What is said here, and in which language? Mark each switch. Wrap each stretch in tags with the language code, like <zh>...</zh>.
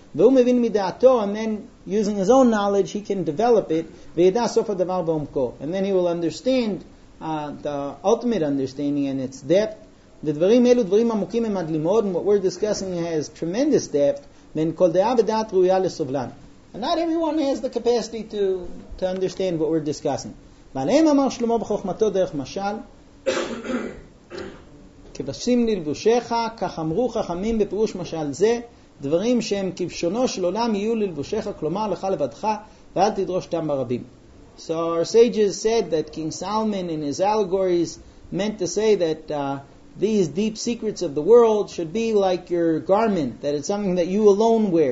<en>And then using his own knowledge, he can develop it. And then he will understand the ultimate understanding and its depth.</en> <he>ודברים אלו דברים עמוקים ומדלים מאוד,</he> <en>and what we're discussing has tremendous depth,</en> <he>מן כל דעה ודעת ראויה לסובלן.</he> <en>And not everyone has the capacity to understand what we're discussing.</en> <he>ועליהם אמר שלמה בחוכמתו דרך משל, כבשים ללבושך, כך אמרו חכמים בפירוש משל זה, דברים שהם כבשונו של עולם יהיו ללבושך, כלומר לך לבדך, ואל תדרוש אותם ברבים.</he> <en>So our sages said that King Solomon in his allegories meant to say that these deep secrets of the world should be like your garment, that it's something that you alone wear.</en>